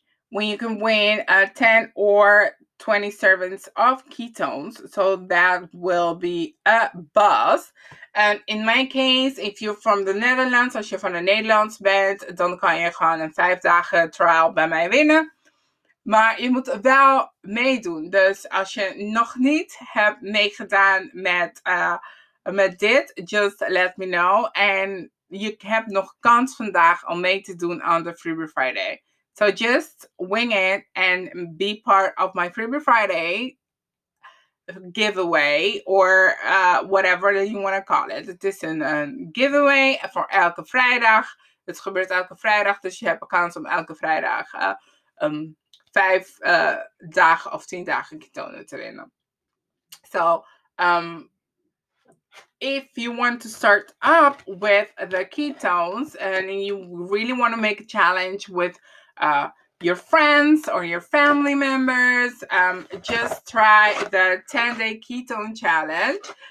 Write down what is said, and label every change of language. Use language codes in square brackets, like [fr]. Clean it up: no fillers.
[en] When you can win 10 or 20 servings of ketones, so that will be a buzz. And in my case, if you're from the Netherlands, [nl] als je van de Nederlands bent, dan kan je gewoon een 5-dagen trial bij mij winnen. Maar je moet wel meedoen. Dus als je nog niet hebt meegedaan met dit, [en] just let me know. [nl] En je hebt nog kans vandaag om mee te doen aan de Freebie Friday. [en] So just wing it and be part of my Freebie Friday giveaway, or whatever that you want to call it. [nl] Het is een giveaway voor elke vrijdag. Het gebeurt elke vrijdag, dus je hebt een kans om elke vrijdag 5 dagen of 10 dagen ketonen te winnen. [en] So, if you want to start up with the ketones and you really want to make a challenge with your friends or your family members, just try the 10-day ketone challenge.